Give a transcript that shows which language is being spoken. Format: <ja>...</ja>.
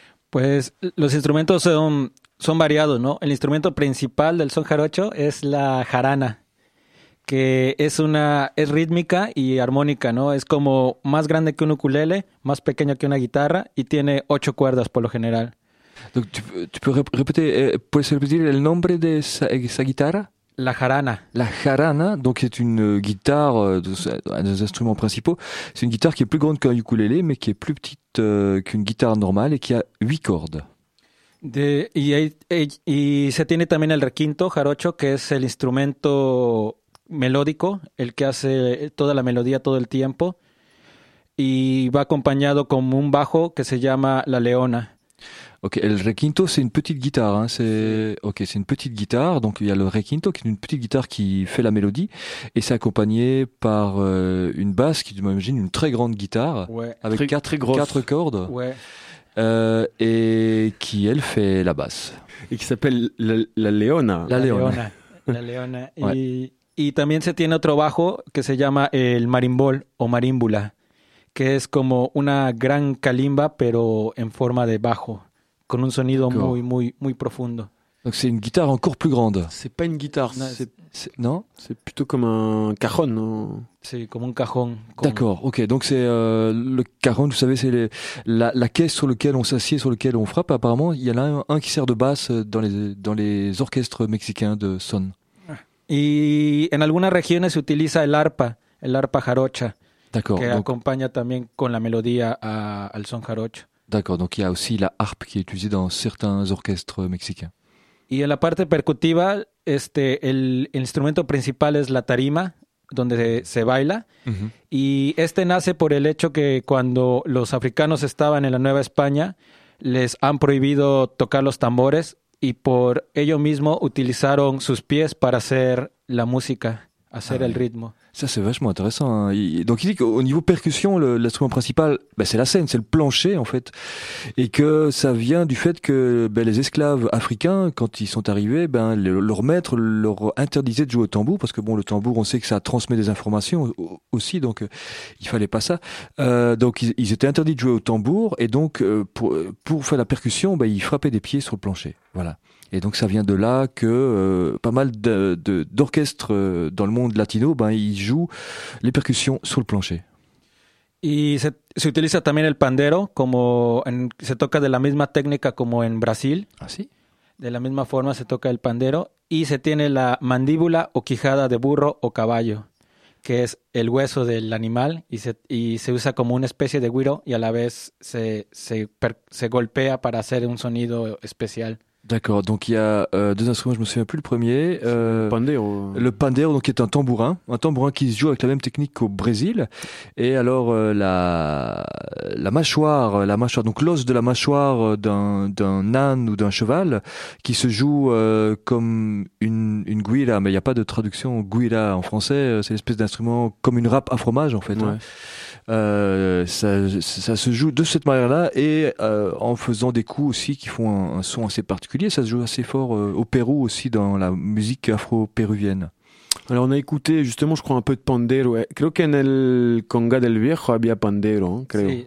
<es>Pues los instrumentos son variados, ¿no? El instrumento principal del son jarocho es la jarana, que es rítmica y armónica, ¿no? Es como más grande que un ukulele, más pequeño que una guitarra y tiene 8 cuerdas por lo general. ¿Tú puedes repetir el nombre de esa guitarra? La jarana.</es> <fr>La jarana, donc c'est une guitare, un des instruments principaux. C'est une guitare qui est plus grande qu'un ukulélé, mais qui est plus petite qu'une guitare normale et qui a 8 cordes.</fr> <es>Y se tiene también el requinto jarocho, que es el instrumento melódico, el que hace toda la melodía todo el tiempo. Y va acompañado con un bajo que se llama la leona.</es> <fr>Ok, el requinto, c'est une petite guitare. Hein, c'est une petite guitare. Donc, il y a le requinto, qui est une petite guitare qui fait la mélodie. Et c'est accompagné par une basse, qui m'imagine une très grande guitare. Ouais. Avec quatre cordes. Ouais. Et qui, elle, fait la basse. Et qui s'appelle la leona.</fr> <es>La leona. Y también se tiene otro bajo que se llama el marimbol o marímbula, que es como una gran kalimba, pero en forma de bajo, con un sonido muy, muy, muy profundo.</es> <fr>Donc c'est une guitare encore plus grande. C'est pas une guitare, non, c'est non? C'est plutôt comme un cajón, non? C'est comme un cajón. D'accord, ok. Donc c'est le cajón, vous savez, c'est la caisse sur laquelle on s'assied, sur laquelle on frappe. Apparemment, il y en a un qui sert de basse dans les orchestres mexicains de son.</fr> <es>Y en algunas regiones se utiliza el arpa jarocha,</es> <fr>d'accord,</fr> <es>que donc, acompaña también con la melodía al son jarocho.</es> <fr>D'accord, donc il y a aussi la harpe qui est utilisée dans certains orchestres mexicains.</fr> <es>Y en la parte percutiva, el instrumento principal es la tarima, donde se baila. Uh-huh. Y este nace por el hecho que cuando los africanos estaban en la Nueva España, les han prohibido tocar los tambores. Y por ello mismo utilizaron sus pies para hacer la música, hacer el ritmo.</es> <fr>Ça, c'est vachement intéressant. Donc, il dit qu'au niveau percussion, l'instrument principal, c'est la scène, c'est le plancher, en fait. Et que ça vient du fait que les esclaves africains, quand ils sont arrivés, leur maître leur interdisait de jouer au tambour, parce que le tambour, on sait que ça transmet des informations aussi, donc il fallait pas ça. Donc, ils étaient interdits de jouer au tambour, et donc, pour faire la percussion, ils frappaient des pieds sur le plancher. Voilà. Et donc ça vient de là que pas mal d'orchestres dans le monde latino, ils jouent les percussions sur le plancher.</fr> <es>Et se utiliza también el pandero, se toca de la misma técnica como en Brasil. Ah, sí. De la misma forma se toca el pandero. Y se tiene la mandíbula o quijada de burro o caballo, que es el hueso del animal, y se usa como una especie de güiro, y a la vez se golpea para hacer un sonido especial.</es> <fr>D'accord, donc il y a deux instruments, je ne me souviens plus le premier. Le pandero. Le pandero, donc, qui est un tambourin qui se joue avec la même technique qu'au Brésil. Et alors la mâchoire, donc l'os de la mâchoire d'un âne ou d'un cheval, qui se joue comme une guira, mais il n'y a pas de traduction guira en français, c'est l'espèce d'instrument comme une râpe à fromage en fait. Ouais. Hein. Ça se joue de cette manière-là et en faisant des coups aussi qui font un son assez particulier. Ça se joue assez fort au Pérou aussi dans la musique afro-péruvienne. Alors on a écouté justement, je crois, un peu de pandero.</fr> <es>Creo que en el conga del viejo había pandero, creo.</es>